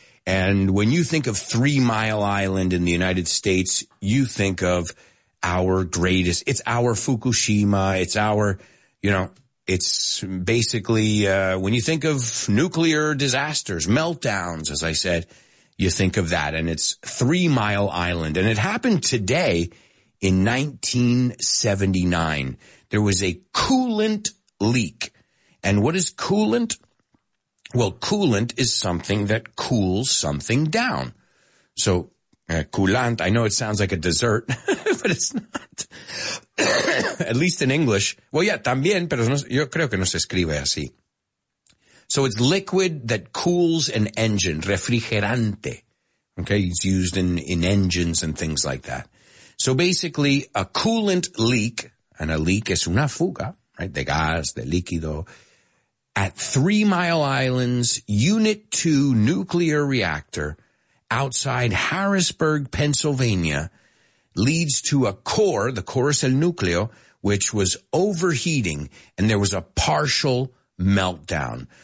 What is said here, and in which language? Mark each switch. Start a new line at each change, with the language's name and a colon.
English: And when you think of 3 Mile Island in the United States, you think of our greatest, it's our Fukushima, it's our, you know, it's basically, when you think of nuclear disasters, meltdowns, as I said, you think of that, and it's 3 Mile Island, and it happened today in 1979. There was a coolant leak, and what is coolant? Well, coolant is something that cools something down. So, coolant, I know it sounds like a dessert, but it's not. At least in English. Well, yeah,
Spanish: también, pero no, yo creo que no se escribe así.
English: So it's liquid that cools an engine, refrigerante. Okay, it's used in engines and things like that. So basically, a coolant leak, and a leak
Spanish: es una fuga,
English: right,
Spanish: de gas, de líquido,
English: at 3 Mile Island's Unit 2 nuclear reactor outside Harrisburg, Pennsylvania, leads to a core, the corus
Spanish: el núcleo,
English: which was overheating, and there was a partial meltdown.